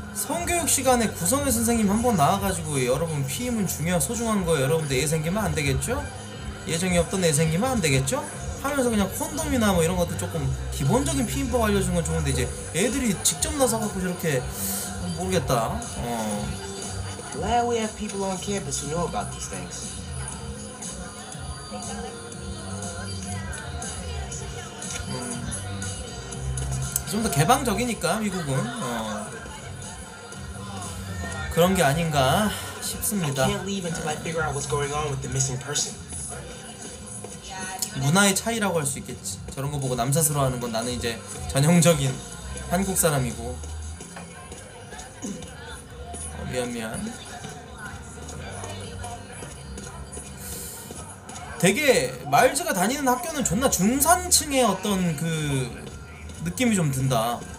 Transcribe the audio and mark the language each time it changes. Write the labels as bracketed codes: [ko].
[ko] 성교육 시간에 구성회 선생님 한번 나와가지고 여러분 피임은 중요하고 소중한 거 여러분들 애 생기면 안 되겠죠? 예정이 없던 애 생기면 안 되겠죠? 하면서 그냥 콘돔이나 뭐 이런 것도 조금 기본적인 피임법 알려준 건 좋은데 이제 애들이 직접 나서갖고 저렇게 모르겠다. [en] Glad we have people on campus who know about these things. Mm. [ko] 좀 더 개방적이니까 미국은 그런 게 아닌가 싶습니다. [en] I can't leave until I figure out what's going on with the missing person. [ko] 문화의 차이라고 할 수 있겠지. 저런 거 보고 남사스러워하는 건 나는 이제 전형적인 한국 사람이고. 미안. 되게 마일즈가 다니는 학교는 존나 중산층의 어떤 그 느낌이 좀 든다.